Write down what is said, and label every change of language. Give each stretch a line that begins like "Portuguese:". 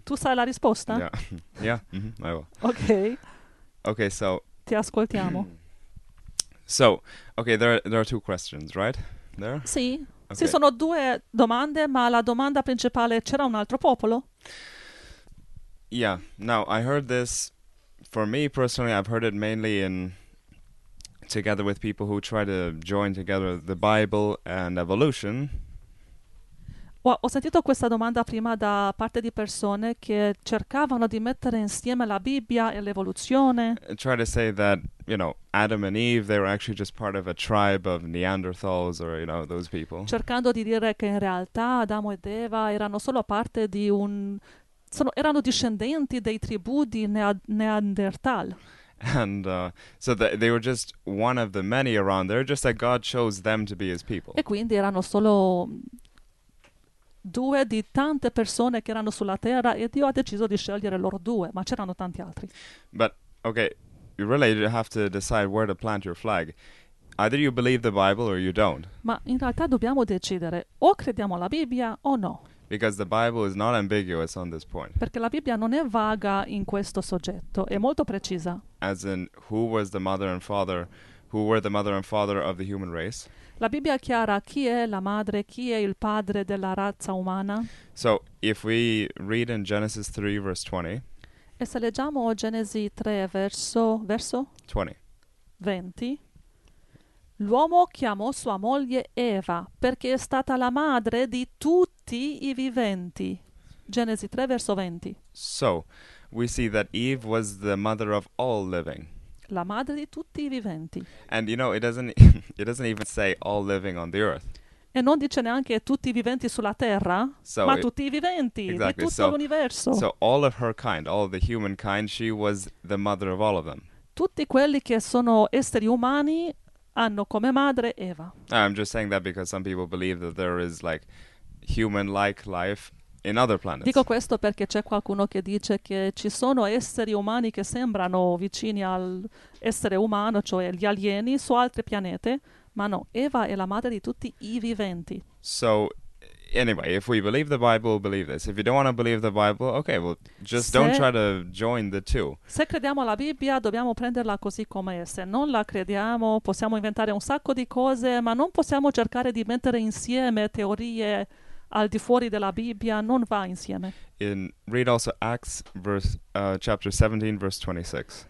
Italian: Tu sai la risposta?
English: Yeah. Yeah. Mm-hmm. I will. Okay. Okay, so
Italian: ti ascoltiamo.
English: So, okay, there are two questions, right? There?
Italian: Sì. Okay. Sì, sono due domande, ma la domanda principale, c'era un altro popolo?
English: Yeah. Now, I heard this, for me personally, I've heard it mainly in together with people who try to join together the Bible and evolution.
Italian: Ho sentito questa domanda prima da parte di persone che cercavano di mettere insieme la Bibbia e l'evoluzione.
English: I try to say that, you know, Adam and Eve, they were actually just part of a tribe of Neanderthals or, you know, those people.
Italian: Cercando di dire che in realtà Adamo ed Eva erano solo parte di un... erano discendenti dei tribù di Neanderthal.
English: And so they were just one of the many around. They're just that God chose them to be his people.
Italian: E quindi erano solo due di tante persone che erano sulla terra e Dio ha deciso di scegliere loro due, ma c'erano tanti altri.
English: But okay, you really have to decide where to plant your flag. Either you believe the Bible or you don't.
Italian: Ma in realtà dobbiamo decidere o crediamo alla Bibbia o no.
English: Because the Bible is not ambiguous on this point.
Italian: Perché la Bibbia non è vaga in questo soggetto, è molto precisa.
English: As in who was the mother and father, who were the mother and father of the human race?
Italian: La Bibbia è chiara, chi è la madre, chi è il padre della razza umana?
English: So, if we read in Genesis 3, verse 20.
Italian: E se leggiamo Genesi 3, verso? 20. L'uomo chiamò sua moglie Eva, perché è stata la madre di tutti i viventi. Genesi 3, verso 20.
English: So, we see that Eve was the mother of all living.
Italian: La madre di tutti i viventi.
English: And you know, it doesn't even say all living on the earth.
Italian: E non dice neanche tutti i viventi sulla terra, so ma tutti i viventi,
English: exactly,
Italian: di tutto l'universo.
English: So all of her kind, all of the humankind, she was the mother of all of them.
Italian: Tutti quelli che sono esseri umani hanno come madre Eva.
English: I'm just saying that because some people believe that there is like human-like life in other planets.
Italian: Dico questo perché c'è qualcuno che dice che ci sono esseri umani che sembrano vicini al essere umano, cioè gli alieni, su altre pianete, Ma no, Eva è la madre di tutti I viventi.
English: So, anyway, if we believe the Bible, believe this. If you don't want to believe the Bible, okay, well, just don't try to join the two.
Italian: Se crediamo alla Bibbia, dobbiamo prenderla così come è. Se non la crediamo, possiamo inventare un sacco di cose, ma non possiamo cercare di mettere insieme teorie al di fuori della Bibbia. Non va insieme.
English: In read also Acts verse chapter 17 verse 26.